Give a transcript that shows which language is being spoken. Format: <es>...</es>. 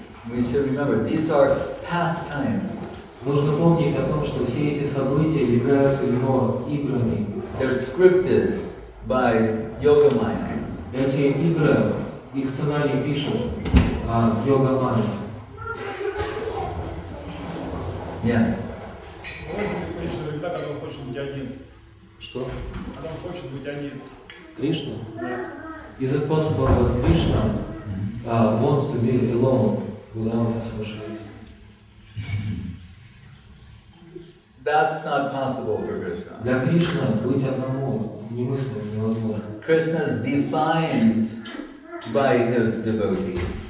<en>We should remember, these are pastimes.</en> <ru>Нужно помнить о том, что все эти события являются его играми.</ru> <en>They're scripted by Yoga Maya.</en> <ru>Эти игры, их сценарий пишет Йога Майя.</ru> <en>Yeah.</en> <ru>Он хочет быть один. Что? Когда он хочет быть один.</ru> <en>Krishna. Is it possible that Krishna wants to be alone without associates? That's not possible for Krishna.</en> <ru>Для Кришны быть одному немыслимо, невозможно.</ru> <en>Krishna is defined by his devotees.</en>